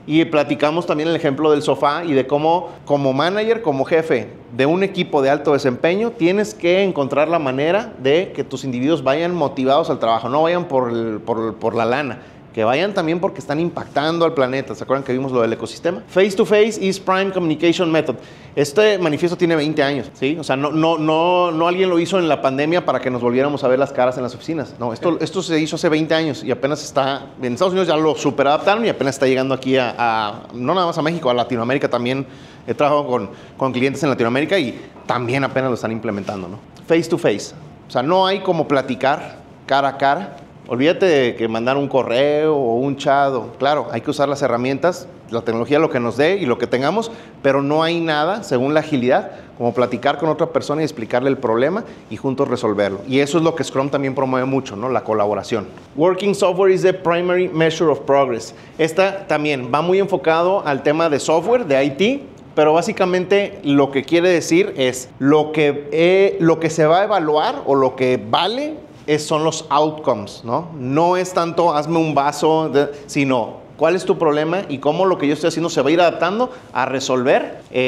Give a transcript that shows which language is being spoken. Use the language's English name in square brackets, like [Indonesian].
[Spanish] Y platicamos también el ejemplo del sofá y de cómo, como manager, como jefe de un equipo de alto desempeño, tienes que encontrar la manera de que tus individuos vayan motivados al trabajo, no vayan por la lana, que vayan también porque están impactando al planeta. ¿Se acuerdan que vimos lo del ecosistema? [English] Face to face is prime communication method. [Spanish] Este manifiesto tiene 20 años, ¿sí? O sea, no alguien lo hizo en la pandemia para que nos volviéramos a ver las caras en las oficinas. No, esto se hizo hace 20 años y apenas está... En Estados Unidos ya lo superadaptaron y apenas está llegando aquí a no nada más a México, a Latinoamérica también. He trabajado con clientes en Latinoamérica y también apenas lo están implementando, ¿no? [English] Face to face. [Spanish] O sea, no hay como platicar cara a cara Olvídate de que mandar un correo o un chat. Claro, hay que usar las herramientas, la tecnología, lo que nos dé y lo que tengamos, pero no hay nada, según la agilidad, como platicar con otra persona y explicarle el problema y juntos resolverlo. Y eso es lo que Scrum también promueve mucho, ¿no? La colaboración. [English] Working software is the primary measure of progress. [Spanish] Esta también va muy enfocado al tema de software, de IT, pero básicamente lo que quiere decir es lo que se va a evaluar o lo que vale son los outcomes, ¿no? No es tanto hazme un vaso, sino cuál es tu problema y cómo lo que yo estoy haciendo se va a ir adaptando a resolver.